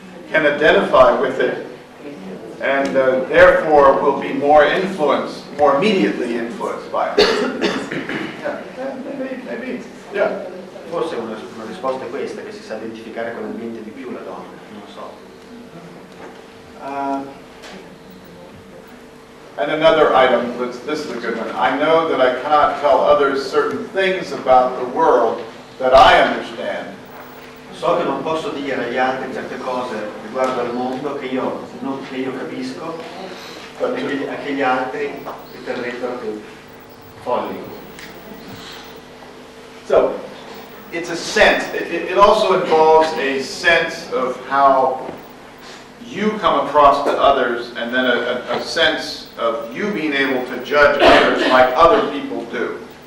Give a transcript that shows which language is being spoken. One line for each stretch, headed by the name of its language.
English: Can identify with it and therefore will be more influenced, more immediately influenced by it.
Italian: Forse una risposta è questa, che si sa identificare con l'ambiente di più la donna, non so.
English: And another item, this is a good one. I know that I cannot tell others certain things about the world that I understand.
Italian: So che non posso dire agli altri certe cose riguardo al mondo che io non che io capisco, a che gli altri riterrebbero più folli.
English: So, it's a sense. It also involves a sense of how you come across to others, and then a sense of you being able to judge others like other people do.